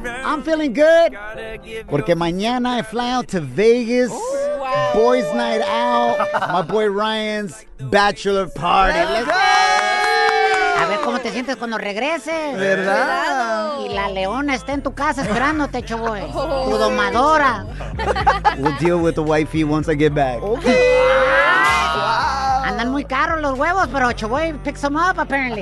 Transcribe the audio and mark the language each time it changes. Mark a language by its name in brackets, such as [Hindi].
[English] I'm feeling good [Spanish] porque mañana [English] I fly out to Vegas. Boys night out. My boy Ryan's bachelor party. Let's go. [Spanish] A ver cómo te sientes cuando regreses. ¿Verdad? Y la leona está en tu casa esperándote, Choboy. Tu domadora. [English] We'll deal with the wifey once I get back. Okay. [Spanish] Andan muy caros los huevos, pero Choboy [English] picks them up, apparently.